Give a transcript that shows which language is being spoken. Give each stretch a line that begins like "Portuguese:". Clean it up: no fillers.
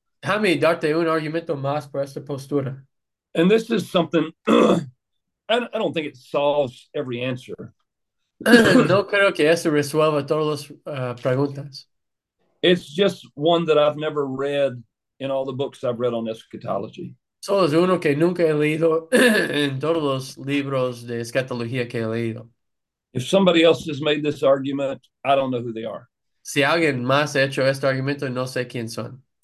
Spanish: Déjame darte un argumento más por esta postura.
English: And this is something, I don't think it solves every answer.
Spanish: No creo que eso resuelva todas las preguntas.
English: It's just one that I've never read in all the books I've read on eschatology.
Spanish: Solo es uno que nunca he leído en todos los libros de escatología que he leído.
English: If somebody else has made this argument, I don't know who they are.
Spanish: Si alguien más ha hecho este argumento, no sé quién son.